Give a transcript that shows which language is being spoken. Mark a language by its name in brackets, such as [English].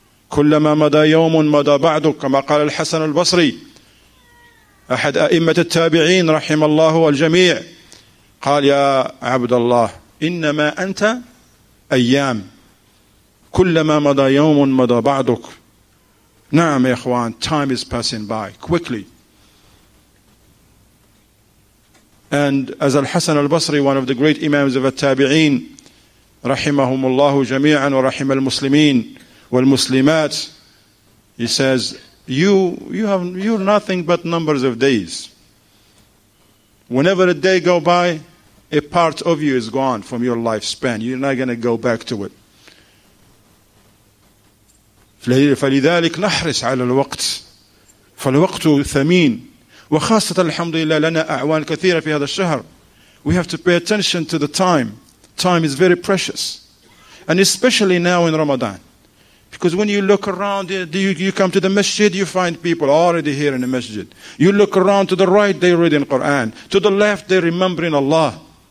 [Arabic] كلما مضى يوم مضى بعدك كما قال الحسن البصري أحد أئمة التابعين رحم الله الجميع قال يا عبد الله إنما أنت أيام كلما مضى يوم مضى بعدك. نعم يا إخوان, [English] time is passing by quickly. And as الحسن البصري, one of the great imams of التابعين [Arabic] رحمهم الله جميعا ورحم المسلمين والمسلمات, [English] he says, you're nothing but numbers of days. Whenever a day go by, a part of you is gone from your lifespan. You're not going to go back to it. [Arabic] فلذلك نحرص على الوقت, فالوقت ثمين, وخاصة الحمد لله لنا أعوان كثيرة في هذا الشهر. [English] We have to pay attention to the time. Time is very precious, and especially now in Ramadan. Because when you look around, you come to the masjid, you find people already here in the masjid. You look around to the right, they read in Quran. To the left, they're remembering Allah.